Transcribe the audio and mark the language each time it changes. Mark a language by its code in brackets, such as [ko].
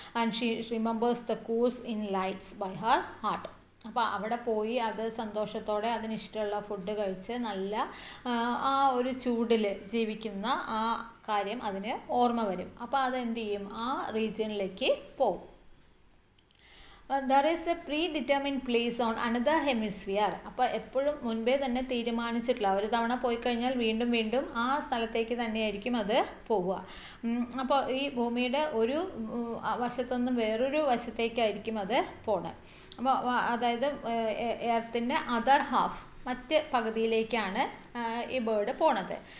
[en] And she remembers the cools in lights by her heart. [ml] അപ്പോൾ അവിടെ പോയി അത് സന്തോഷത്തോടെ അതിനിഷ്ടമുള്ള ഫുഡ് കഴിച്ച് നല്ല ആ ഒരു ചൂടിൽ ജീവിക്കുന്ന ആ കാര്യം അതിന് ഓർമ്മ വരും. അപ്പോൾ അതെന്ത് ചെയ്യും? ആ റീജിയനിലേക്ക് പോവും. [en] There is a predetermined place on another hemisphere. [ml] അപ്പോൾ എപ്പോഴും മുൻപേ തന്നെ തീരുമാനിച്ചിട്ടില്ല, ഒരു തവണ പോയി കഴിഞ്ഞാൽ വീണ്ടും വീണ്ടും ആ സ്ഥലത്തേക്ക് തന്നെയായിരിക്കും അത് പോവുക. അപ്പോൾ ഈ ഭൂമിയുടെ ഒരു വശത്തുനിന്നും വേറൊരു വശത്തേക്കായിരിക്കും അത് പോണേ. അപ്പോൾ അതായത് എർത്തിൻ്റെ അതർ ഹാഫ്, മറ്റ് പകുതിയിലേക്കാണ് ഈ ബേർഡ് പോണത്.